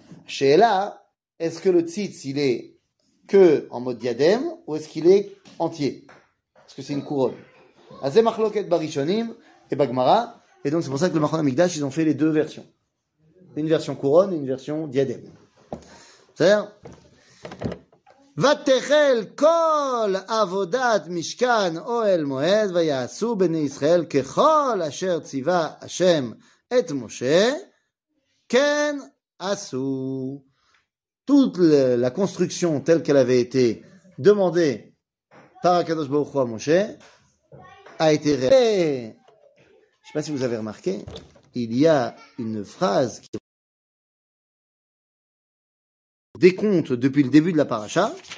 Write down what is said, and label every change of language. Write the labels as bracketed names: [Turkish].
[French] Chez là, est-ce que le tzitz il est que en mode diadème ou est-ce qu'il est entier? Est-ce que c'est une couronne? [Hebrew] Azé machloket barishonim [French] et bagmara. Et donc c'est pour ça que le Machon Amigdash ils ont fait les deux versions, une version couronne et une version diadème. C'est-à-dire [Hebrew] ותחל כל עבודת משכן אוהל מועד ויעשו בני ישראל ככל אשר ציווה השם את משה כן עשו. [French] Toute la construction telle qu'elle avait été demandée par Hakadosh Baruch Hu à Moshe a été réalisée. Je ne sais pas si vous avez remarqué, il y a une phrase qui décompte depuis le début de la paracha.